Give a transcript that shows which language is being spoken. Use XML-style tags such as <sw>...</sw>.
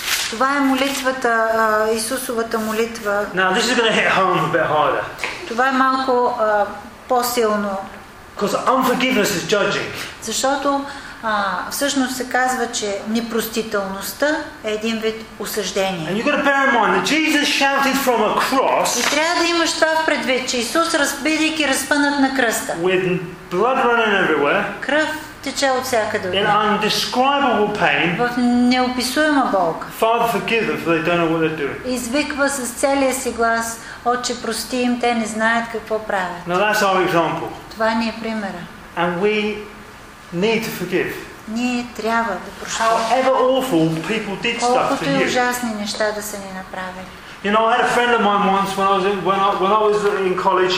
<bg>Това е молитвата, Исусовата молитва.</bg> <en>Now this is going to hit home a bit harder.</en> <bg>Това е малко по-силно.</bg> <en>Because unforgiveness is judging.</en> <bg>Защото всъщност се казва, че непростителността е един вид осъждение.</bg> <en>And you got to bear in mind that Jesus shouted from a cross.</en> <bg>И трябва да имаш това предвид, че Исус, разбидейки разпънат на кръста.</bg> <en>With blood running everywhere.</en> <bg>Кръв тече от всякъде.</bg> <en>In indescribable pain.</en> <bg>В неописуема болка.</bg> <en>Father, forgive them, for they don't know what they're doing.</en> <bg>Извиква с целия си глас: Отче, прости им, те не знаят какво правят.</bg> <en>Now that's our example.</en> <bg>Това ни е примера.</bg> <en>And we need to forgive.</en> <bg>Ние трябва да прощаваме.</bg> <en>However awful people did stuff to you.</en> <bg>Колкото и ужасни неща да са ни направили.</bg> <en>You know, I had a friend of mine once when I was in college.</en>